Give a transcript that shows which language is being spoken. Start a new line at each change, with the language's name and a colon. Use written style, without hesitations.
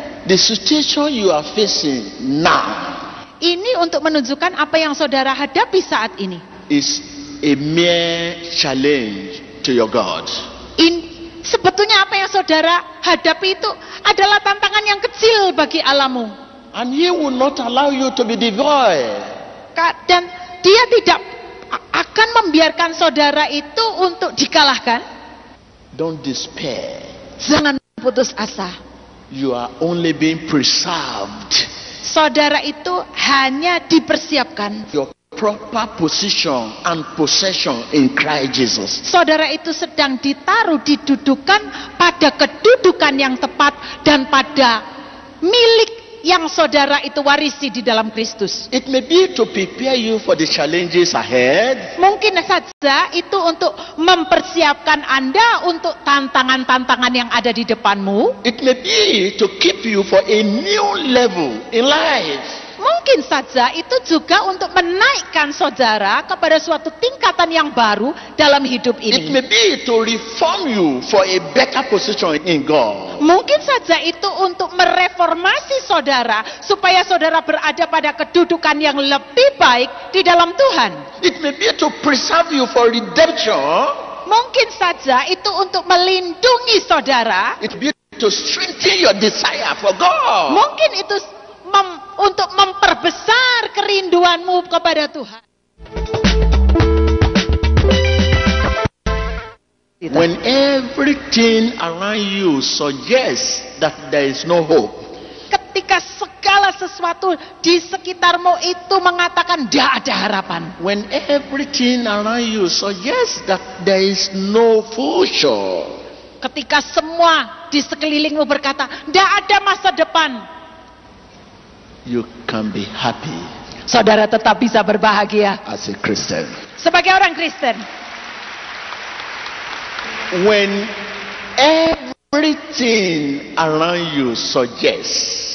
English: the situation you are facing now,
Indonesian: ini untuk menunjukkan apa yang saudara hadapi saat ini,
English: is a mere challenge to your God.
Indonesian: Sebetulnya apa yang saudara hadapi itu adalah tantangan yang kecil bagi Allahmu.
English: And He will not allow you to be devoid.
Indonesian: Dan Dia tidak akan membiarkan saudara itu untuk dikalahkan.
English: Don't despair.
Indonesian: Jangan putus asa.
English: You are only being preserved.
Indonesian: Saudara itu hanya dipersiapkan.
English: Your proper position and possession in Christ Jesus.
Indonesian: Saudara itu sedang ditaruh, didudukan pada kedudukan yang tepat dan pada milik yang saudara itu warisi di dalam Kristus.
English: It may be to prepare you for the challenges ahead.
Indonesian: Mungkin saja itu untuk mempersiapkan Anda untuk tantangan-tantangan yang ada di depanmu.
English: It may be to keep you for a new level in life.
Indonesian: Mungkin saja itu juga untuk menaikkan saudara kepada suatu tingkatan yang baru dalam hidup ini.
English: It may be to reform you for a better position in God.
Indonesian: Mungkin saja itu untuk mereformasi saudara supaya saudara berada pada kedudukan yang lebih baik di dalam Tuhan.
English: It may be to preserve you for redemption.
Indonesian: Mungkin saja itu untuk melindungi saudara.
English: It may be to strengthen your desire for God.
Indonesian: Mungkin itu untuk memperbesar kerinduanmu kepada Tuhan.
English: When everything around you suggests that there is no hope.
Indonesian: Ketika segala sesuatu di sekitarmu itu mengatakan tidak ada harapan.
English: When everything around you suggests that there is no future.
Indonesian: Ketika semua di sekelilingmu berkata tidak ada masa depan.
English: You can be happy.
Indonesian: Saudara tetap bisa berbahagia.
English: As a Christian.
Indonesian: Sebagai orang Kristen.
English: When everything around you suggests.